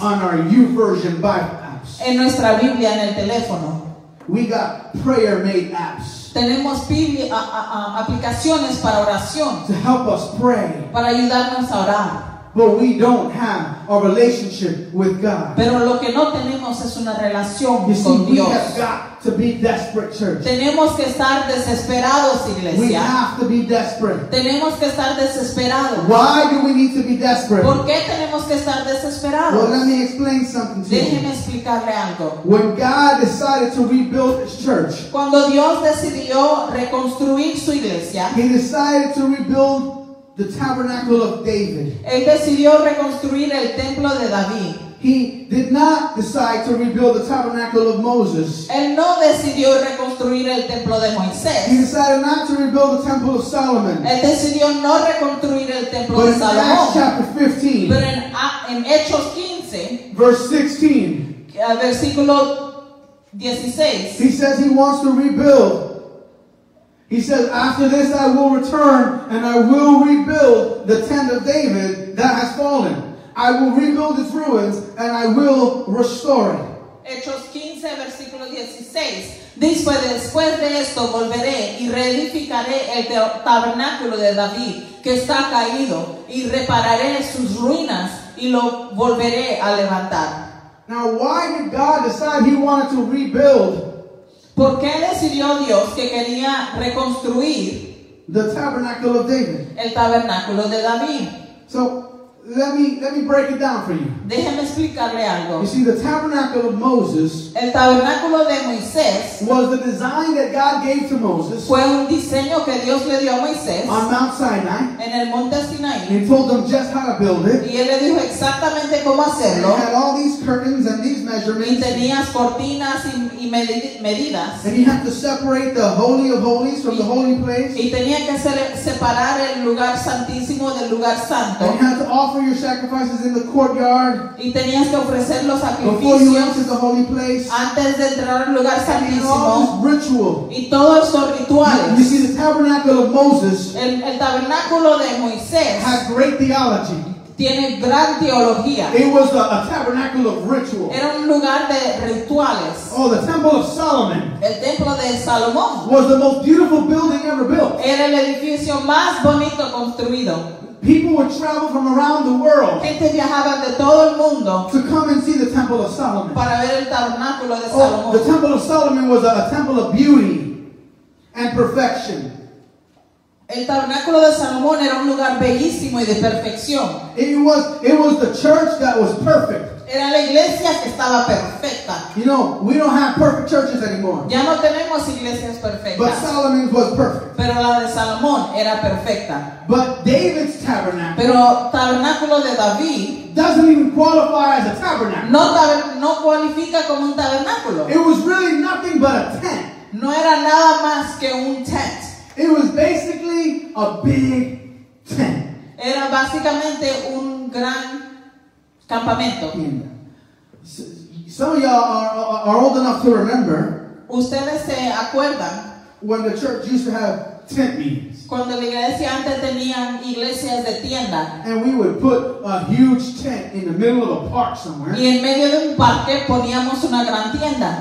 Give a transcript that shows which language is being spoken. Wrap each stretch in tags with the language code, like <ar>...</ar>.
<en>On our YouVersion Bible apps.</en> <es>En nuestra Biblia en el teléfono.</es> <en>We got prayer made apps.</en> <es>Tenemos aplicaciones para oración.</es> <en>To help us pray.</en> <es>Para ayudarnos a orar.</es> <en>But we don't have a relationship with God.</en> <es>Pero lo que no tenemos es una relación</es> <en>you</en> <es>con</es> <en>see,</en> <es>Dios.</es> <en>We have got to be desperate, church.</en> <es>Tenemos que estar desesperados, iglesia.</es> <en>We have to be desperate.</en> <es>Tenemos que estar desesperados.</es> <en>Why do we need to be desperate?</en> <es>¿Por qué tenemos que estar desesperados?</es> <en>Well, let me explain something to</en> <es>Déjeme Déjeme explicarle algo.</es> <en>When God decided to rebuild His church,</en> <es>cuando Dios decidió reconstruir su iglesia,</es> <en>He decided to rebuild the tabernacle of David.</en> <es>Él decidió reconstruir el templo de David.</es> <en>He did not decide to rebuild the tabernacle of Moses.</en> <es>Él no decidió reconstruir el templo de Moisés.</es> <en>He decided not to rebuild the temple of Solomon.</en> <es>Él decidió no reconstruir el templo</es> <en>but</en> <es>de Salomón.</es> <en>But in Acts chapter 15,</en> <es>pero en Hechos 15,</es> <en>verse 16,</en> <es>versículo 16,</es> <en>he says he wants to rebuild. He says, after this I will return and I will rebuild the tent of David that has fallen. I will rebuild its ruins and I will restore it.</en> <es>Hechos 15, versículo 16. Dice, después de esto volveré y reedificaré el tabernáculo de David que está caído y repararé sus ruinas y lo volveré a levantar.</es> <en>Now, why did God decide He wanted to rebuild?</en> <es>¿Por qué decidió Dios que quería reconstruir</es> <en>the tabernacle of David?</en> <es>El tabernáculo de David.</es> <en>So, let me break it down for you.</en> <es>Déjeme explicarle algo.</es> <en>You see, the tabernacle of Moses,</en> <es>el tabernáculo de Moisés,</es> <en>was the design that God gave to Moses,</en> <es>fue un diseño que Dios le dio a Moisés,</es> <en>on Mount Sinai,</en> <es>en el monte Sinai.</es> <en>He told them just how to build it,</en> <es>y él le dijo exactamente cómo hacerlo,</es> <en>and he had all these curtains and these measurements,</en> <es>y tenías cortinas y medidas,</es> <en>and he had to separate the Holy of Holies from the holy place,</en> <es>y tenía que separar el lugar santísimo del lugar santo,</es> <en>and he had to offer your sacrifices in the courtyard</en> <es>y tenías que ofrecer los sacrificios</es> <en>before you entered the holy place,</en> <es>antes de entrar al lugar santísimo,</es> <en>and all this ritual.</en> <es>Y todos estos rituales.</es> <en>You see, the tabernacle of Moses,</en> <es>el tabernáculo de Moisés,</es> <en>had great theology.</en> <es>Tiene gran teología.</es> <en>It was a tabernacle of ritual.</en> <es>Era un lugar de rituales.</es> <en>Oh, the temple of Solomon.</en> <es>El templo de Salomón.</es> <en>Was the most beautiful building ever built.</en> <es>Era el edificio más bonito construido.</es> <en>People would travel from around the world.</en> <es>Gente viajaba de todo el mundo</es> <en>to come and see the Temple of Solomon.</en> <es>Para ver el tabernáculo de Salomón.</es> <en>Oh, the Temple of Solomon was a temple of beauty and perfection.</en> <es>El tabernáculo de Salomón era un lugar bellísimo y de perfección.</es> <en>It was the church that was perfect.</en> <es>Era la iglesia que estaba perfecta.</es> <en>You know, we don't have perfect churches anymore.</en> <es>Ya no tenemos iglesias perfectas.</es> <en>But Solomon's was perfect.</en> <es>Pero la de Salomón era perfecta.</es> <en>But David's tabernacle,</en> <es>pero tabernáculo de David,</es> <en>doesn't even qualify as a tabernacle.</en> <es>No cualifica como un tabernáculo.</es> <en>It was really nothing but a tent.</en> <es>No era nada más que un</es> <en>tent. It was basically a big tent.</en> <es>Era básicamente un gran campamento.</es> <en>Yeah. Some of y'all are old enough to remember.</en> <es>Ustedes se acuerdan</es> <en>when the church used to have tent meetings.</en> <es>Cuando la iglesia antes tenían iglesias de tienda.</es> <en>And we would put a huge tent in the middle of a park somewhere.</en> <es>Y en medio de un parque poníamos una gran tienda.</es>